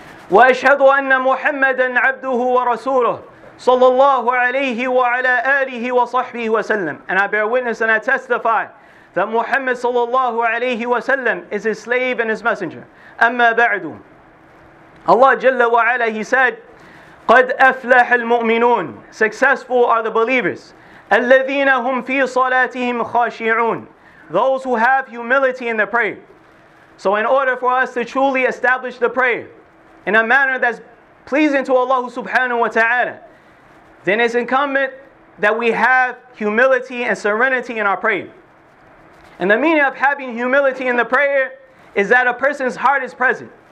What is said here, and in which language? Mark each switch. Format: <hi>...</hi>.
<ar>وَأَشْهَدُ أَنَّ مُحَمَّدًا عَبْدُهُ وَرَسُولُهُ صلى الله عليه وعلى آله وصحبه وسلم.</ar> <en>And I bear witness and I testify that Muhammad</en> <ar>صلى الله عليه وسلم</ar> <en>is his slave and his messenger.</en> <ar>أما بعد, Allah جل وعلا,</ar> <en>He said,</en> <ar>قد أفلح المؤمنون.</ar> <en>Successful are the believers.</en> <ar>الذين هم في صلاتهم خاشعون.</ar> <en>Those who have humility in their prayer. So in order for us to truly establish the prayer in a manner that's pleasing to Allah subhanahu wa ta'ala, then it's incumbent that we have humility and serenity in our prayer. And the meaning of having humility in the prayer is that a person's heart is present.</en>